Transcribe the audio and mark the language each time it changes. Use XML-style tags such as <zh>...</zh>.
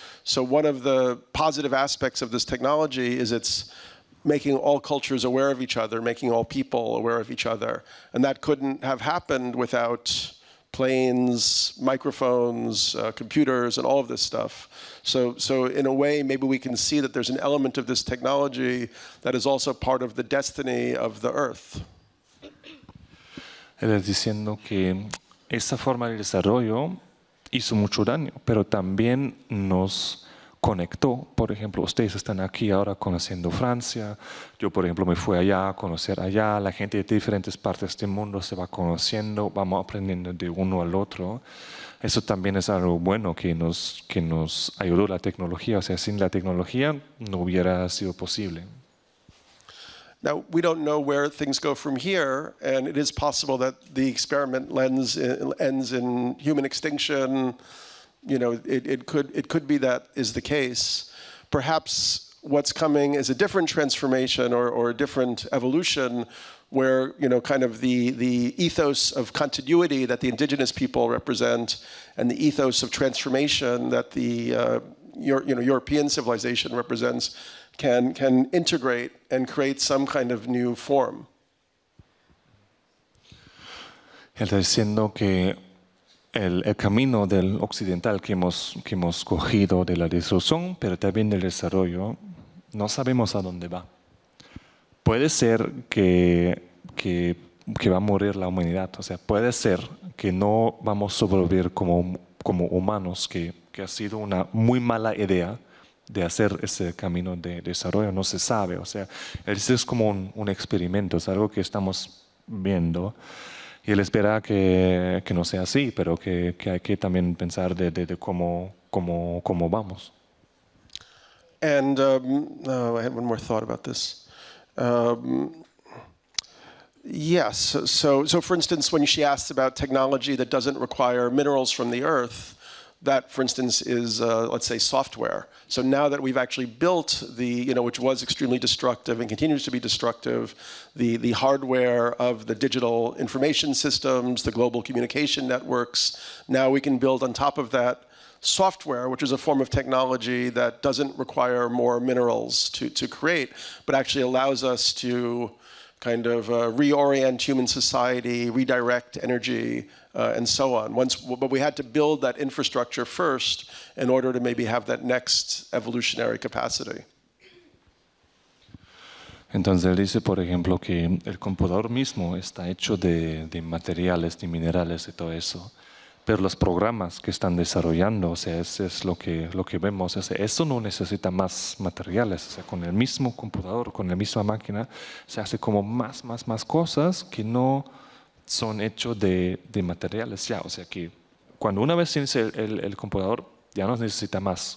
<en>So one of the positive aspects of this technology is it's making all cultures aware of each other, making all people aware of each other. And that couldn't have happened without planes, microphones, computers, and all of this stuff. So in a way, maybe we can see that there's an element of this technology that is also part of the destiny of the Earth.</en> <es>Él es diciendo que esa forma de desarrollo hizo mucho daño, pero también nos conectó. Por ejemplo, ustedes están aquí ahora conociendo Francia. Yo, por ejemplo, me fui allá a conocer allá. La gente de diferentes partes del mundo se va conociendo, vamos aprendiendo de uno al otro. Eso también es algo bueno que nos ayudó la tecnología. O sea, sin la tecnología no hubiera sido posible.</es> <en>Now, we don't know where things go from here, and it is possible that the experiment ends in human extinction. You know, it could be that is the case. Perhaps what's coming is a different transformation or a different evolution, where, you know, kind of the ethos of continuity that the indigenous people represent and the ethos of transformation that the European civilization represents can integrate and create some kind of new form.</en> <es>El camino del occidental que hemos cogido de la destrucción, pero también del desarrollo, no sabemos a dónde va. Puede ser que va a morir la humanidad. O sea, puede ser que no vamos a sobrevivir como humanos, que ha sido una muy mala idea de hacer ese camino de desarrollo. No se sabe. O sea, eso es como un experimento, es algo que estamos viendo. Y él espera que no sea así, pero que hay que también pensar de cómo vamos.</es> <en>And I had one more thought about this. Yes, so for instance, when she asks about technology that doesn't require minerals from the earth, that, for instance, is, let's say, software. So now that we've actually built the, you know, which was extremely destructive and continues to be destructive, the hardware of the digital information systems, the global communication networks, now we can build on top of that software, which is a form of technology that doesn't require more minerals to create, but actually allows us to kind of reorient human society, redirect energy, and so on. But we had to build that infrastructure first in order to maybe have that next evolutionary capacity.</en> <es>Entonces él dice, por ejemplo, que el computador mismo está hecho de materiales, de minerales y todo eso. Pero los programas que están desarrollando, o sea, eso es lo que vemos. O sea, eso no necesita más materiales. O sea, con el mismo computador, con la misma máquina, se hace como más cosas que no son hechos de materiales ya. O sea, que cuando una vez tienes el computador, ya no necesita más.</es>